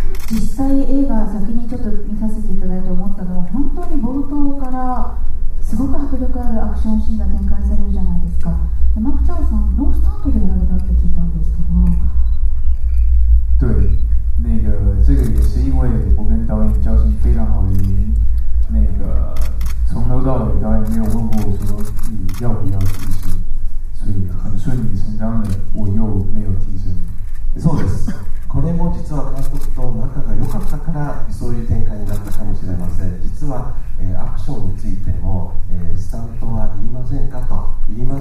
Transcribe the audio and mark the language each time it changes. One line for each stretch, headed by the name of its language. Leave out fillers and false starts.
Japanese: 実際映画先にちょっと見させていただいて思ったのは、本当に冒頭からすごく迫力あるアクションシーンが展開されるじゃないですか。でマクチャンさんノースタントでやられたって聞いたんですけど。
Chinese: 对，那个这个也是因为我跟导演交情非常好的原因。那个从头到尾导演没有问过我说你要不要替身，所以很顺理成章的我又没有替身。
Japanese: そうです。これも実は監督と仲が良かったからそういう展開になったかもしれません。実は、アクションについても、スタントは言いませんかと言